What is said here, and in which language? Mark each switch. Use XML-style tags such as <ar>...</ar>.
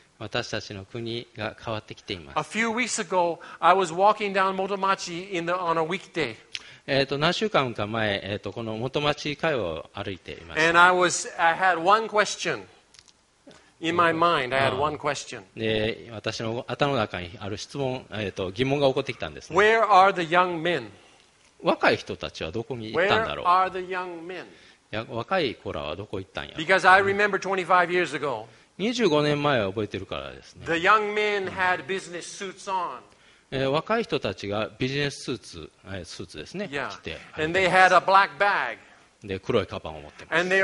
<ja>私たちの国が変わってきています。</ja> <en>A few weeks ago, I was walking down Motomachi on a weekday.</en> <ja>何週間か前、この元町街を歩いていました。</ja> <en>And I had one question. In my mind, I had one question.</en> <ja>私の頭の中にある質問、疑問が起こってきたんです、ね。</ja> <en>Where are the young men?</en> <ja>若い人たちはどこに行ったんだろう。</ja> <en>Where are the young men?</en> <ja>いや、若い子らはどこ行ったんや。</ja> <en>Because I remember 25 years ago.</en> <ja>25年前は覚えてるからですね。</ja> <en>The young men had business suits on.</en> <ja>若い人たちがビジネススーツ、スーツですね。</ja> <en>Yeah.</en> <ja>着て。</ja> <en>And they had a black bag.</en> <ja>で黒いカバンを持ってます。</ja>